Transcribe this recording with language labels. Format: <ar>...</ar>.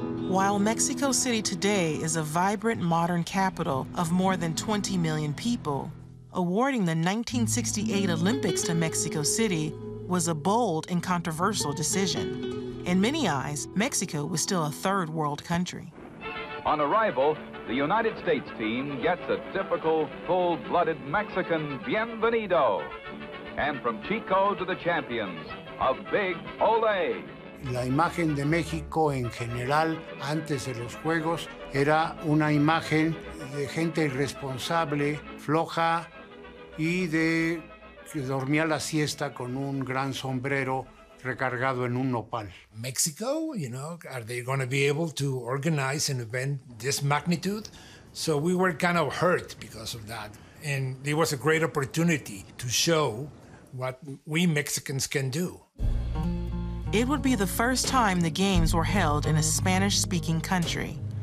<en>While Mexico City today is a vibrant modern capital of more than 20 million people, awarding the 1968 Olympics to Mexico City was a bold and controversial decision. In many eyes, Mexico was still a third world country. On arrival, the United States team gets a typical full-blooded Mexican bienvenido. And from Chico to the champions, a big ole.</en> <es>La imagen de México en general antes de los Juegos era una imagen de gente irresponsable, floja, y de que dormía la siesta con un gran sombrero recargado en un nopal.</es> <en>Mexico, you know, are they going to be able to organize an event this magnitude? So we were kind of hurt because of that. And it was a great opportunity to show what we Mexicans can do. It would be the first time the games were held in a Spanish-speaking country.</en>